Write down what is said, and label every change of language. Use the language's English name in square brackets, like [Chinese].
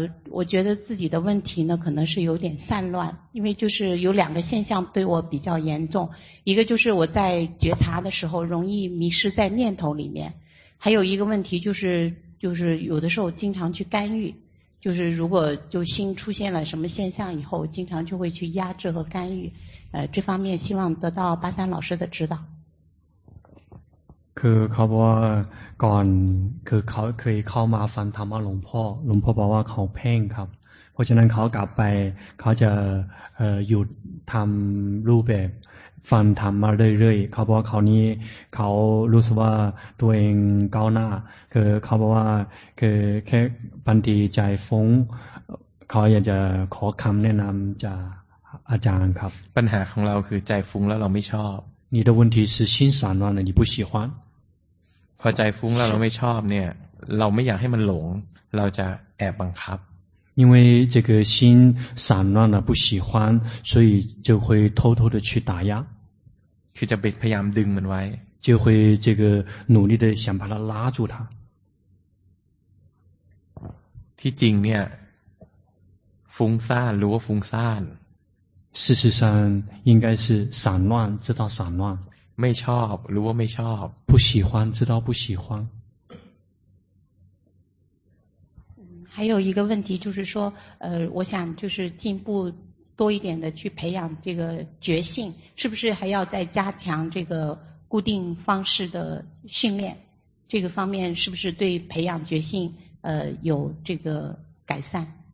[Chinese] 我觉得自己的问题呢可能是有点散乱，因为就是有两个现象对我比较严重，一个就是我在觉察的时候容易迷失在念头里面，还有一个问题就是有的时候经常去干预，就是如果就心出现了什么现象以后经常就会去压制和干预，这方面希望得到巴山老师的指导。 [Thai] คือเขาบอกว่าก่อนคือเขาเคยเข้ามาฟังธรรมะหลวงพ่อหลวงพ่อบอกว่าเขาเพ่งครับเพราะฉะนั้นเขากลับไปเขาจะหยุดทำรูปแบบฟังธรรมะเรื่อยๆเขาบอกว่าคราวนี้เขารู้สึกว่าตัวเองก้าวหน้าคือเขาบอกว่าคือแค่บันทีใจฟุ้งเขาอยากจะขอคำแนะนำจากอาจารย์ครับ ปัญหาของเราคือใจฟุ้งแล้วเราไม่ชอบ [Chinese] 你的问题是心散乱了，你不喜欢。 [Thai] พอใจฟุ้งแล้วเราไม่ชอบเนี่ยเราไม่อยากให้มันหลงเราจะแอบบังคับ [Chinese] 因为这个心散乱了不喜欢所以就会偷偷的去打压 [Thai] คือจะพยายามดึงมันไว้ [Chinese] 就会这个努力的想把它拉住它 [Thai] ที่จริงเนี่ยฟุ้งซ่านรู้ว่าฟุ้งซ่าน [Chinese] 事实上应该是散乱知道散乱 [Thai] ไม่ชอบรู้ว่าไม่ชอบ [Chinese] 不喜欢知道不喜欢还有一个问题就是说我想就是进步多一点的去培养这个觉性是不是还要再加强这个固定方式的训练这个方面是不是对培养觉性有这个改善